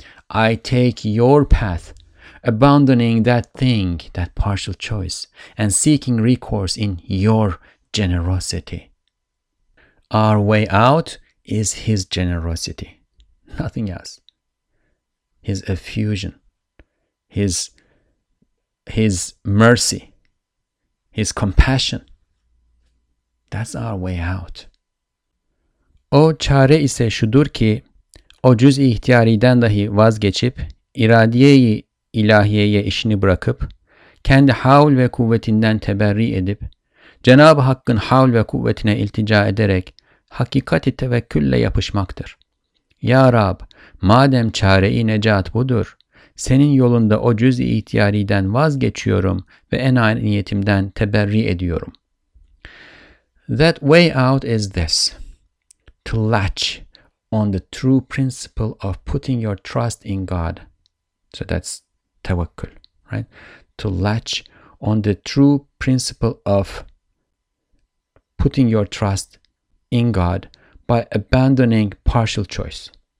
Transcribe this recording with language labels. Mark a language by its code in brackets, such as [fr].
[en] I take your path, abandoning that thing, that partial choice, and seeking recourse in your generosity. Our way out is His generosity, nothing else. His effusion, His mercy, His compassion. That's our way out. [tr] O çare ise şudur ki, o cüz-i ihtiyariden dahi vazgeçip, iradiye-i ilahiyeye işini bırakıp, kendi havl ve kuvvetinden teberri edip, Cenab-ı Hakk'ın havl ve kuvvetine iltica ederek, hakikati tevekkülle yapışmaktır. Ya Rab, madem çare-i necat budur, senin yolunda o cüz-i ihtiyariden vazgeçiyorum ve enaniyetimden teberri ediyorum. [en] That way out is this. To latch on the true principle of putting your trust in God. So that's tawakkul, right? To latch on the true principle of putting your trust in God by abandoning partial choice.